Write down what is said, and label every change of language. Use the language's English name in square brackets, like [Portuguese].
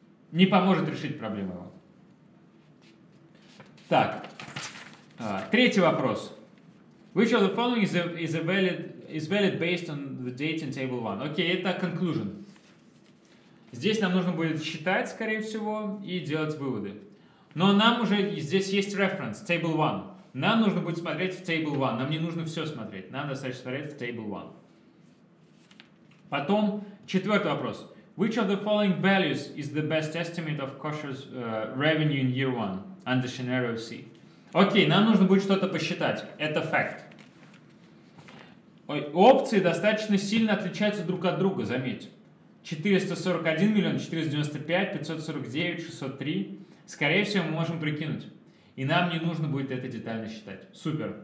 [Russian] Не поможет решить проблему его. Так. Третий вопрос. [English] Which of the following is valid based on the date in table 1? [Russian] Окей, это conclusion. Здесь нам нужно будет считать, скорее всего, и делать выводы. Но нам уже здесь есть reference, table 1. Нам нужно будет смотреть в table 1. Нам не нужно все смотреть. Нам достаточно смотреть в table 1. Потом четвертый вопрос. [English] Which of the following values is the best estimate of cautious revenue in year 1 under scenario C? [Russian] Окей, нам нужно будет что-то посчитать. Это fact. Опции достаточно сильно отличаются друг от друга, заметьте. 441 миллион, 495, 549, 603... Скорее всего, мы можем прикинуть. И нам не нужно будет это детально считать. Супер.